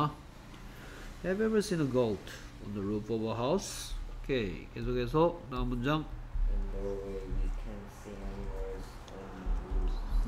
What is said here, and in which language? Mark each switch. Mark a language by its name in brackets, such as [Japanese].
[English] Have you ever seen a goat on the roof of a house? [Korean] 오케이, 계속해서 다음 문장. [English] In Norway, we can't see animals on the roof.